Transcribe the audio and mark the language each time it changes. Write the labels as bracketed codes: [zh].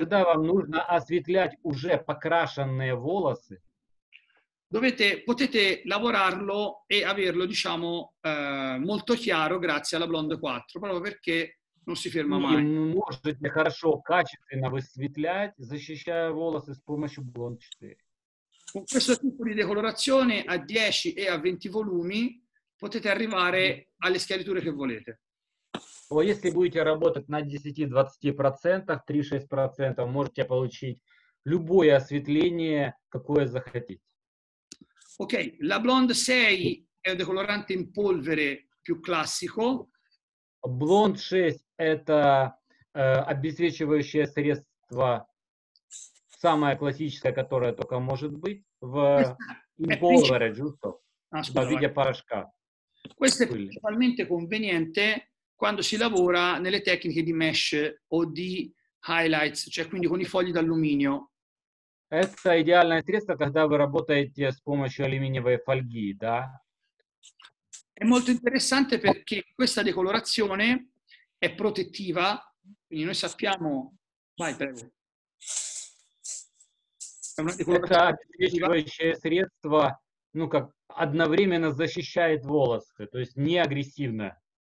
[ru] Когда вам нужно осветлять уже покрашенные волосы, [it] Potete lavorarlo e averlo, diciamo, molto chiaro grazie alla Blonde 4, proprio perché non si ferma mai. [ru] Можете хорошо качественно высветлять, защищая волосы с помощью Blonde 4. [it] Con questo tipo di decolorazione a 10 e a 20 volumi potete arrivare alle schiariture che volete. [ru] О, если будете работать на 10-20%, 3-6%, можете получить любое осветление, какое захотите. [it] Ok, la Blonde 6 è un decolorante in polvere più classico. [ru] Blonde 6 это обесцвечивающее средство, самое классическое, которое только может быть в инполвере, [it] giusto? [ru] В виде порошка. [it] Questo è principalmente conveniente quando si lavora nelle tecniche di mesh o di highlights, cioè quindi con i fogli d'alluminio. [ru] Это идеальное средство, когда вы работаете с помощью алюминиевой фольги, да? [it] È molto interessante perché questa decolorazione è protettiva, quindi noi sappiamo... Vai, prego. È una decolorazione protettiva. [ru] Ну, как одновременно защищает волосы, то есть не агрессивная.